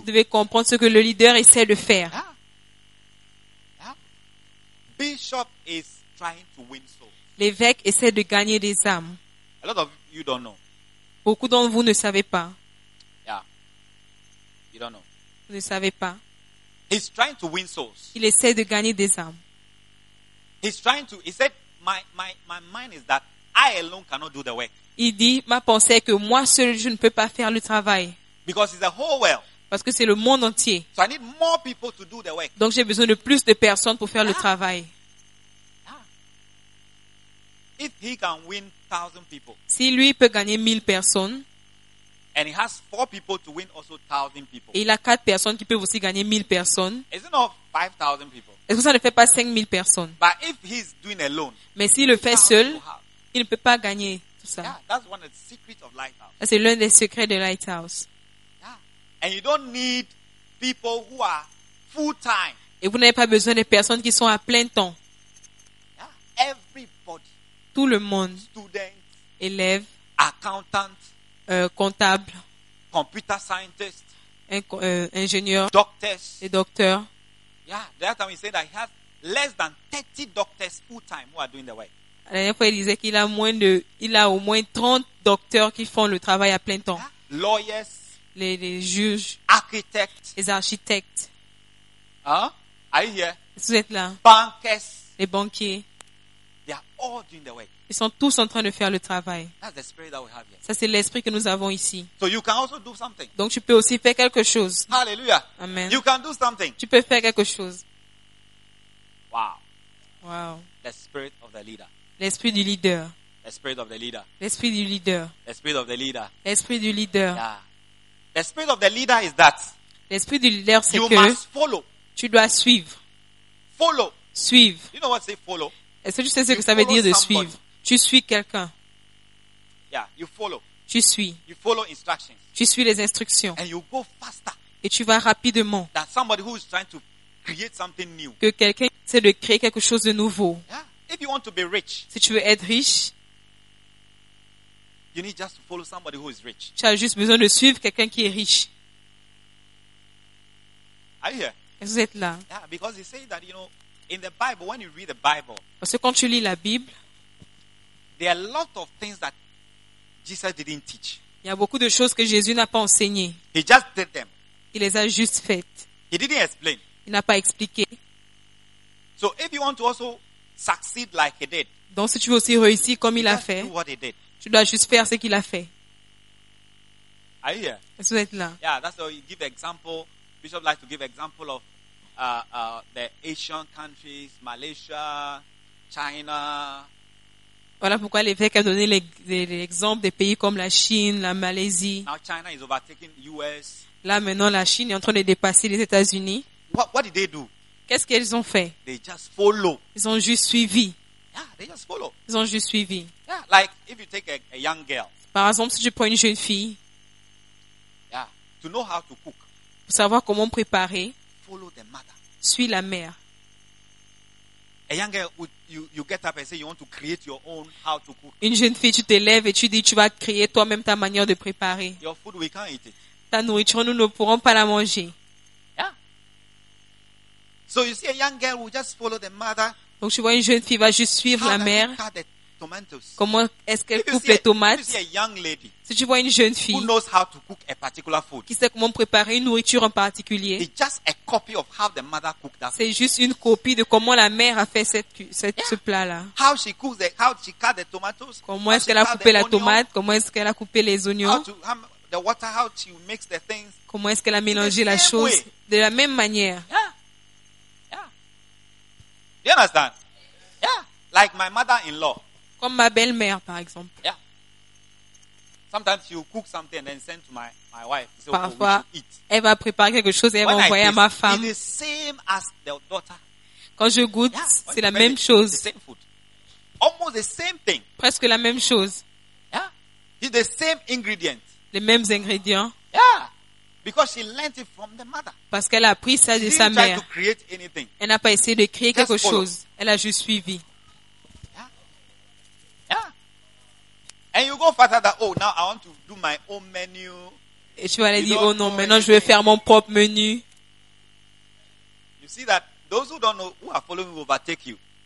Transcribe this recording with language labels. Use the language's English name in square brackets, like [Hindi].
[French] Vous devez comprendre ce que le leader essaie de faire. [English] Yeah. Yeah. Bishop is trying to win souls. [French] L'évêque essaie de gagner des âmes. [English] A lot of you don't know. [French] Beaucoup d'entre vous ne savez pas. [English] Yeah. You don't know. [French] Vous ne savez pas. [English] He's trying to win souls. [French] Il essaie de gagner des âmes. [English] He's trying to. He said, my mind is that I alone cannot do the work. [French] Il dit, ma pensée est que moi seul je ne peux pas faire le travail. [English] Because it's a whole world. [French] Parce que c'est le monde entier. [English] So I need more people to do the work. [French] Donc j'ai besoin de plus de personnes pour faire le travail. [English] If he can win 1,000 people, [French] si lui peut gagner 1,000 personnes, [English] and he has 4 people to win also 1,000 people, [French] et il a 4 personnes qui peuvent aussi gagner 1,000 personnes, [English] is it not 5,000 people? [French] Est-ce que ça ne fait pas 5,000 personnes? [English] But if he's doing alone, [French] mais s'il le fait seul, il ne peut pas gagner tout ça. [English] Yeah, that's one of the secrets of Lighthouse. [French] C'est l'un des secrets de Lighthouse. [English] Yeah. And you don't need people who are full time. [French] Et vous n'avez pas besoin de personnes qui sont à plein temps. [English] Yeah. Everybody. [French] Tout le monde, [English] students, [French] élèves, [English] accountants, [French] comptables, [English] computer scientists, [French] ingénieurs, [English] doctors, [French] et docteurs. [English] Yeah, the other time he said that he has less than 30 doctors full time who are doing the work. [French] La dernière fois, il disait qu'il a moins de, il a au moins 30 docteurs qui font le travail à plein temps. [English] Yeah. Lawyers, [French] les juges, architectes, les architectes. [English] Huh? Are you here? [French] Vous êtes là. [English] Bankers, [French] les banquiers. [English] They are all doing the work. [French] Ils sont tous en train de faire le travail. [English] That's the spirit that we have here. [French] Ça, c'est l'esprit que nous avons ici. [English] So you can also do something. [French] Donc, tu peux aussi faire quelque chose. [English] Hallelujah. Amen. You can do something. [French] Tu peux faire quelque chose. [English] Wow. Wow. The spirit of the leader. [French] L'esprit du leader. [English] The spirit of the leader. [French] L'esprit du leader. [English] The spirit of the leader. [French] L'esprit du leader. [English] Yeah. The spirit of the leader is that. [French] L'esprit du leader, c'est [English] you [French] que [English] must follow. [French] Tu dois suivre. [English] Follow. [French] Suivre. [English] You know what say follow? [French] Est-ce que tu sais ce que ça veut dire de suivre? Tu suis quelqu'un. [English] Yeah, you follow. [French] Tu suis. [English] You follow instructions. [French] Tu suis les instructions. [English] And you go faster. [French] Et tu vas rapidement. [English] That somebody who is trying to create something new. [French] Que quelqu'un essaie de créer quelque chose de nouveau. [English] Yeah. If you want to be rich. [French] Si tu veux être riche. [English] You need just to follow somebody who is rich. [French] Tu as juste besoin de suivre quelqu'un qui est riche. [English] Are you here? [French] Vous êtes là. [English] Yeah, because they say that, you know, in the Bible, when you read the Bible, [French] parce que quand tu lis la Bible, [English] there are a lot of things that Jesus didn't teach. [French] Il y a beaucoup de choses que Jésus n'a pas enseignées. [English] He just did them. [French] Il les a juste faites. [English] He didn't explain. [French] Il n'a pas expliqué. [English] So if you want to also succeed like he did, [French] donc si tu veux aussi réussir comme il a fait, [English] do what he did. [French] Tu dois juste faire ce qu'il a fait. [English] Are you here? [French] Est-ce que vous êtes là? [English] Yeah, that's how you give example. Bishop likes to give example of the Asian countries, Malaysia, China. [French] Voilà pourquoi l'évêque a donné l'exemple des pays comme la Chine, la Malaisie. [English] Now China is overtaking US. [French] Là maintenant, la Chine est en train de dépasser les États-Unis. [English] What did they do? [French] Qu'est-ce qu'ils ont fait? [English] They just follow. [French] Ils ont juste suivi. [English] Yeah, they just follow. [French] Ils ont juste suivi. [English] Yeah, like if you take a young girl. [French] Par exemple, si tu prends une jeune fille. [English] Yeah, to know how to cook. [French] Pour savoir comment préparer. [English] Follow the mother. [French] Suis la mère. [English] A young girl, you get up and say you want to create your own how to cook. [French] Une jeune fille, tu te lèves et tu dis tu vas créer toi-même ta manière de préparer. [English] Your food, we can't eat it. [French] Ta nourriture, nous ne pourrons pas la manger. [English] Yeah. So you see, a young girl will just follow the mother. [French] Donc tu vois une jeune fille va juste suivre [English] how [French] la mère. [English] The tomatoes. [French] Comment est-ce qu'elle coupe les tomates? [English] If you see a young lady, [French] si tu vois une jeune fille [English] who knows how to cook a particular food, [French] qui sait comment préparer une nourriture en particulier, [English] it's just a copy of how the mother cooked that. [French] C'est juste une copie de comment la mère a fait ce plat-là. [English] How she cooks the, how she cut the tomatoes? [French] Comment est-ce qu'elle a coupé la tomate? Comment est-ce qu'elle a coupé les oignons? [English] The water, how she mixes the things? [French] Comment est-ce qu'elle a mélangé la chose? De la même manière. [English] Yeah. You understand? Yeah. Like my mother-in-law. [French] Comme ma belle-mère, par exemple. [English] Yeah. Sometimes she'll cook something and then send to my wife. Say, [French] parfois, [English] oh, eat. [French] Elle va préparer quelque chose et elle [English] when [French] va envoyer [English] taste, [French] à ma femme. [English] It is same as the daughter. [French] Quand je goûte, [English] yeah, [French] c'est la même chose. [English] The same food. Almost the same thing. [French] Presque la même chose. [English] Yeah. It's the same ingredient. [French] Les mêmes ingrédients. [English] Yeah. Because she learned it from the mother. [French] Parce qu'elle a appris ça de sa mère. [English] To create anything. [French] Elle n'a pas essayé de créer [English] just [French] quelque [English] follow. [French] Chose. Elle a juste suivi. [English] Yeah. Yeah. And you go further that, oh, now I want to do my own menu. [French] Et tu vas aller dire, oh non, maintenant je vais faire mon propre menu. [English] You see that those who don't know who are following will overtake you.